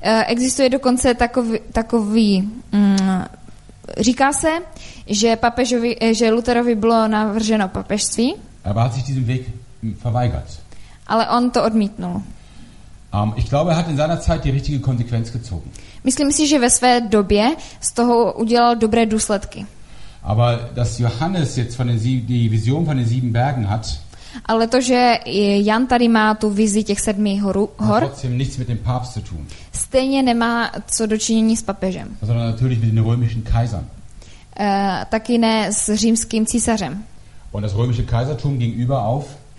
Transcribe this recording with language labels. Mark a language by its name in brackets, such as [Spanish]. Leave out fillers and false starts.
[Czech] Existuje dokonce takový říká se, že papežovi, že Lutherovi bylo navrženo papežství. [German] Aber hat sich diesen Weg verweigert. [Czech] Ale on to odmítnul. [German] Ich glaube, er hat in seiner Zeit die richtige Konsequenz gezogen. [Czech] Myslím si, že ve své době z toho udělal dobré důsledky. [German] Aber dass Johannes jetzt von den die Vision von den sieben Bergen hat. [Czech] Ale to, že Jan tady má tu vizi těch sedmi hor, [German] nichts mit dem Papst zu tun. [Czech] Stejně nemá co dočinění s papežem. [German] Sondern natürlich mit den römischen Kaisern. [Czech] Taky ne s římským císařem. [German] Und das römische Kaisertum ging über auf.